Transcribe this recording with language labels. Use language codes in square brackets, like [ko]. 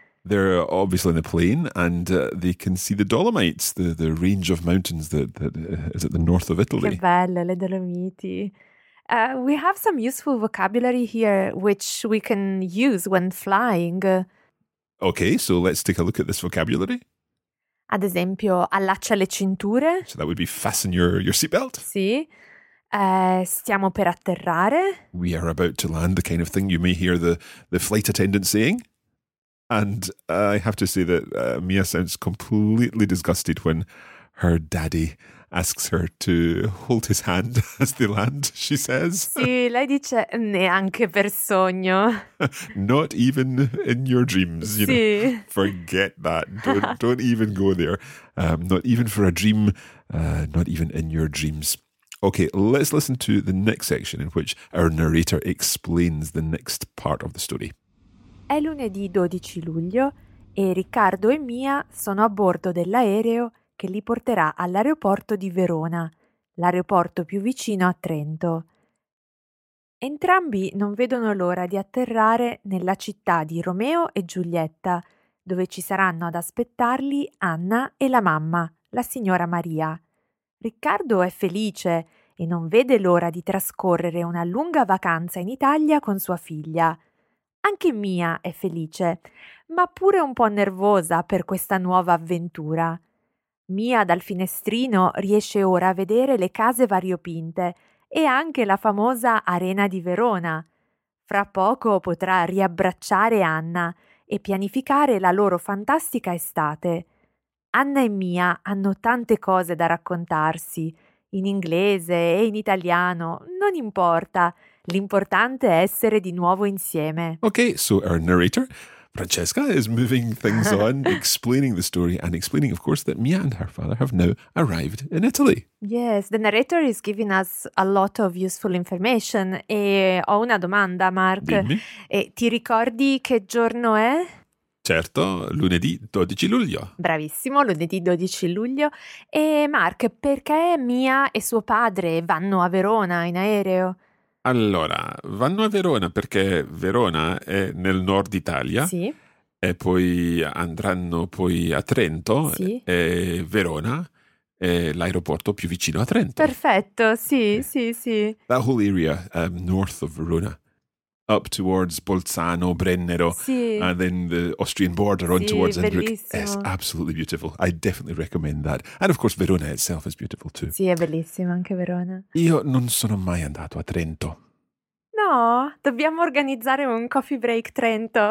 [en] They're obviously in the plane and they can see the Dolomites, the range of mountains that is at the north of Italy. [it] Che belle, le Dolomiti. [en] We have some useful vocabulary here, which we can use when flying. Okay, so let's take a look at this vocabulary. [it] Ad esempio, allaccia le cinture. [en] So that would be fasten your seatbelt. [it] Sì. Stiamo per atterrare. [en] We are about to land, the kind of thing you may hear the flight attendant saying. And I have to say that Mia sounds completely disgusted when her daddy asks her to hold his hand as they land, she says. [it] Sì, lei dice neanche per sogno. [en] Not even in your dreams, you [it] sì. [en] Know. Forget that. Don't even go there. Not even for a dream. Not even in your dreams. Okay, let's listen to the next section in which our narrator explains the next part of the story. [it] È lunedì 12 luglio e Riccardo e Mia sono a bordo dell'aereo che li porterà all'aeroporto di Verona, l'aeroporto più vicino a Trento. Entrambi non vedono l'ora di atterrare nella città di Romeo e Giulietta, dove ci saranno ad aspettarli Anna e la mamma, la signora Maria. Riccardo è felice e non vede l'ora di trascorrere una lunga vacanza in Italia con sua figlia. Anche Mia è felice, ma pure un po' nervosa per questa nuova avventura. Mia dal finestrino riesce ora a vedere le case variopinte e anche la famosa Arena di Verona. Fra poco potrà riabbracciare Anna e pianificare la loro fantastica estate. Anna e Mia hanno tante cose da raccontarsi, in inglese e in italiano, non importa, l'importante è essere di nuovo insieme. [en] Okay, so our narrator, Francesca, is moving things on, explaining the story and explaining, of course, that Mia and her father have now arrived in Italy. Yes, the narrator is giving us a lot of useful information. [it] E ho una domanda, Mark. Dimmi. E ti ricordi che giorno è? Certo, lunedì 12 luglio. Bravissimo, lunedì 12 luglio. E Mark, perché Mia e suo padre vanno a Verona in aereo? Allora, vanno a Verona perché Verona è nel nord Italia. Sì. E poi andranno poi a Trento. Sì. E Verona è l'aeroporto più vicino a Trento. Perfetto, sì, sì, sì. [en] That whole area, north of Verona. Up towards Bolzano, Brennero, [it] sì. [en] And then the Austrian border on [it] sì, [en] towards Innsbruck. Yes, absolutely beautiful. I definitely recommend that. And of course, Verona itself is beautiful too. [it] Sì, è bellissimo anche Verona. Io non sono mai andato a Trento. No, dobbiamo organizzare un coffee break Trento.